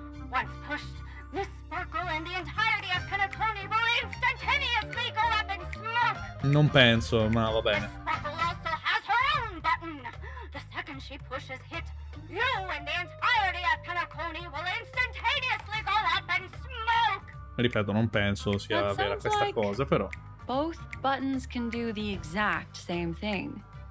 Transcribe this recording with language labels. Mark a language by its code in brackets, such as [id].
[en] Once pushed, Miss Sparkle and the entirety of Pinacone will instantaneously go up in smoke. [it] Non penso, ma va bene. [en] Miss Sparkle also has her own button. The second she pushes hit, you and the entirety of Pinacone will instantaneously go up in smoke. [it] Ripeto, non penso sia vera questa cosa, però. [en] Both buttons can do the exact same thing.